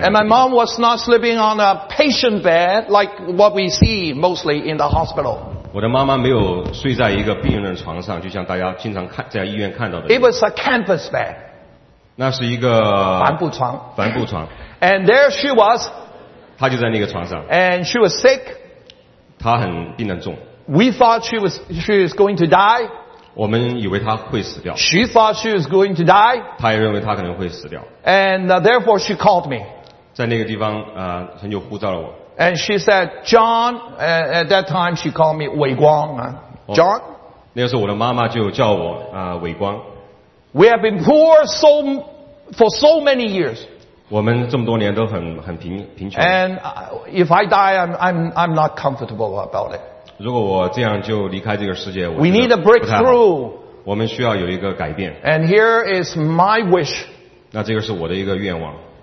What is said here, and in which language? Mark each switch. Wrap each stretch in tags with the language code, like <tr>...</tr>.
<en>And my mom was not sleeping on a patient bed like what we see mostly in the hospital.</en> <zh>我的妈妈没有睡在一个病人的床上，就像大家经常看在医院看到的。</zh> <en>It was a canvas bed.</en> <zh>那是一个帆布床。帆布床。</zh> <en>And there she was.</en> <zh>她就在那个床上。</zh> <en>And she was sick.</en> <zh>她很病得重。</zh> <en>We thought she was going to die.</en> <zh>我们以为她会死掉。</zh> <en>She thought she was going to die.</en> <zh>她也认为她可能会死掉。</zh> <en>And therefore she called me.</en> <zh>在那个地方，神就呼召了我。</zh> <en>And she said, John, at that time she called me Wei Guang. John?</en> <zh>那个时候我的妈妈就叫我Wei Guang.</zh> <en>We have been poor for so many years.</en> <zh>我们这么多年都很贫穷。</zh> <en>And if I die, I'm not comfortable about it.</en> <zh>如果我这样就离开这个世界，我</zh> <en>We need a breakthrough.</en> <zh>我们需要有一个改变。</zh> <en>And here is my wish.</en> <zh>那这个是我的一个愿望。</zh>